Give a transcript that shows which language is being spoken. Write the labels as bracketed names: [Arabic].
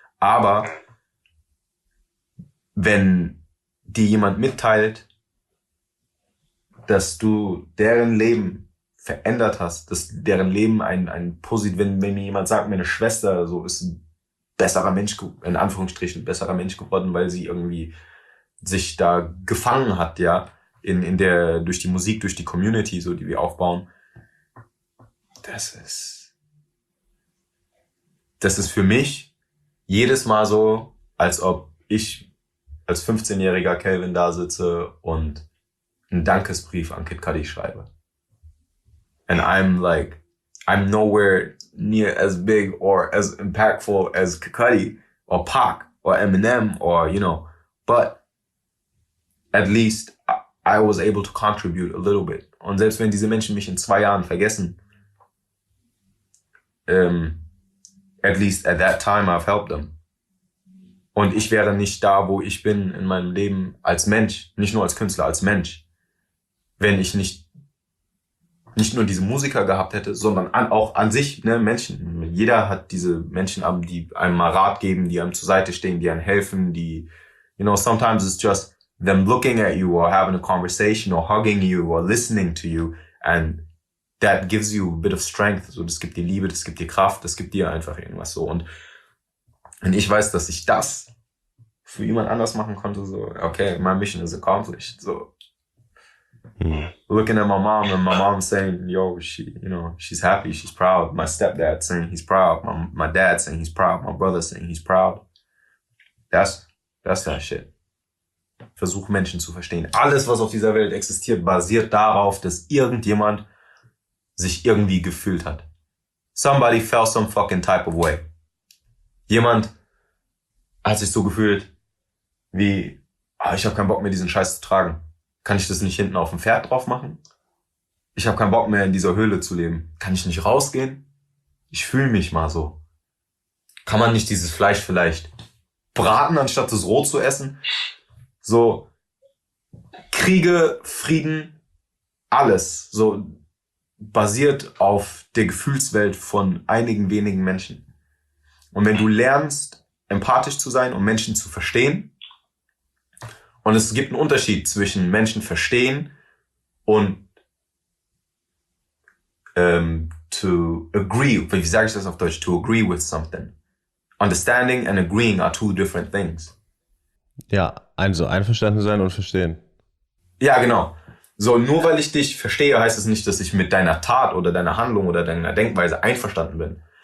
[German] Aber wenn dir jemand mitteilt, dass du deren Leben verändert hast, dass deren Leben ein positiv, wenn mir jemand sagt, meine Schwester so ist ein besserer Mensch, in Anführungsstrichen besserer Mensch geworden, weil sie irgendwie sich da gefangen hat, ja, in der, durch die Musik, durch die Community, so, die wir aufbauen. Das ist für mich jedes Mal so, als ob ich als 15-jähriger Calvin da sitze und einen Dankesbrief an Kid Cudi schreibe. [English] And I'm like, I'm nowhere near as big or as impactful as Kid Cudi or Pac or Eminem or, you know, but at least I was able to contribute a little bit. [German] Und selbst wenn diese Menschen mich in 2 Jahren vergessen, [English] at least at that time I've helped them. [German] Und ich wäre nicht da, wo ich bin in meinem Leben als Mensch, nicht nur als Künstler, als Mensch, wenn ich nicht nur diese Musiker gehabt hätte, sondern auch an sich, ne, Menschen. Jeder hat diese Menschen, die einem mal Rat geben, die einem zur Seite stehen, die einem helfen, die, [English] you know, sometimes it's just them looking at you or having a conversation or hugging you or listening to you and that gives you a bit of strength. [German] So, das gibt dir Liebe, das gibt dir Kraft, das gibt dir einfach irgendwas so. Und wenn ich weiß, dass ich das für jemand anders machen konnte, so, okay, [English] my mission is accomplished. So, looking at my mom and my mom saying, yo, she, you know, she's happy, she's proud. My stepdad saying he's proud. My dad saying he's proud. My brother saying he's proud. That's that shit. [German] Versuch Menschen zu verstehen. Alles, was auf dieser Welt existiert, basiert darauf, dass irgendjemand sich irgendwie gefühlt hat. [English] Somebody felt some fucking type of way. [German] Jemand hat sich so gefühlt wie, oh, ich habe keinen Bock mehr, diesen Scheiß zu tragen. Kann ich das nicht hinten auf dem Pferd drauf machen? Ich habe keinen Bock mehr, in dieser Höhle zu leben. Kann ich nicht rausgehen? Ich fühle mich mal so. Kann man nicht dieses Fleisch vielleicht braten, anstatt es roh zu essen? So, Kriege, Frieden, alles so basiert auf der Gefühlswelt von einigen wenigen Menschen. Und wenn du lernst, empathisch zu sein und Menschen zu verstehen, und es gibt einen Unterschied zwischen Menschen verstehen und [English] to agree, [German] wie sage ich das auf Deutsch, [English] to agree with something. Understanding and agreeing are two different things. [German] Ja, also einverstanden sein und verstehen. Ja, genau. So, nur weil ich dich verstehe, heißt es nicht, dass ich mit deiner Tat oder deiner Handlung oder deiner Denkweise einverstanden bin.